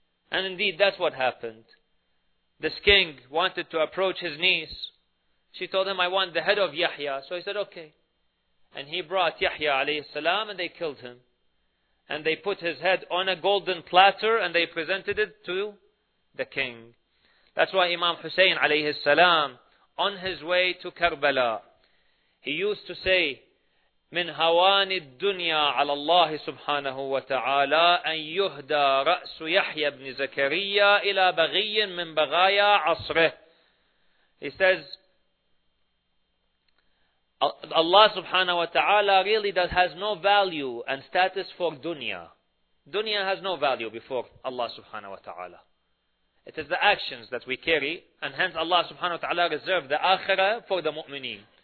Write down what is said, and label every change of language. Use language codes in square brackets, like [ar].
[en] And indeed, that's what happened. This king wanted to approach his niece. She told him, I want the head of Yahya. So he said, okay. And he brought Yahya alayhi salam and they killed him. And they put his head on a golden platter and they presented it to the king. That's why Imam Hussein alayhi salam, on his way to Karbala, he used to say, [ar] من هوان الدنيا على الله سبحانه وتعالى أن يهدى رأس يحيى بن زكريا إلى بغي من بغايا عصره. [en] He says, Allah subhanahu wa ta'ala really has no value and status for dunya. Dunya has no value before Allah subhanahu wa ta'ala. It is the actions that we carry, and hence Allah subhanahu wa ta'ala reserved the akhirah for the mu'mineen.